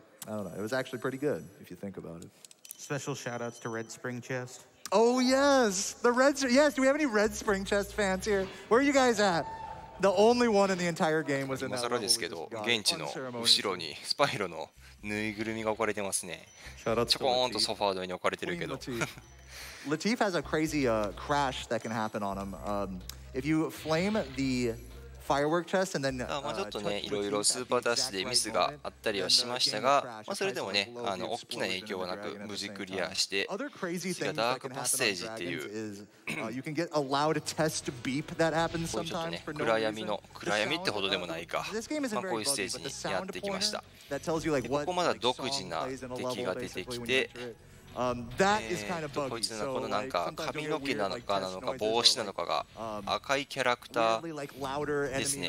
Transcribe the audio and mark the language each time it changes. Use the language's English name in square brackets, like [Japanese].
[English] It was actually pretty good if you think about it. Special shout outs to Red Spring Chest. Oh yes, the Red. Yes, do we have any Red Spring Chest fans here? Where are you guys at? The only one in the entire game was in that [Japanese] ですけど、現地の後ろにスパイロのぬいぐるみが置かれてますね。ちょこんとソファー上に置かれてるけど。 [English] Latif has a crazy crash that can happen on him. If you flame the firework chest and then [Japanese] まあちょっとね、いろいろスーパーダッシュでミスがあったりはしましたが、まあそれでもね、大きな影響はなく無事クリアして、次がダークパッセージっていう。 [English] You can get a loud test beep that happens sometimes for no reason. [Japanese] 暗闇の暗闇ってほどでもないか。まあこういうステージにやってきました。ここまだ独自な敵が出てきて、こいつのこのなんか髪の毛なのか帽子なのかが赤いキャラクターですね。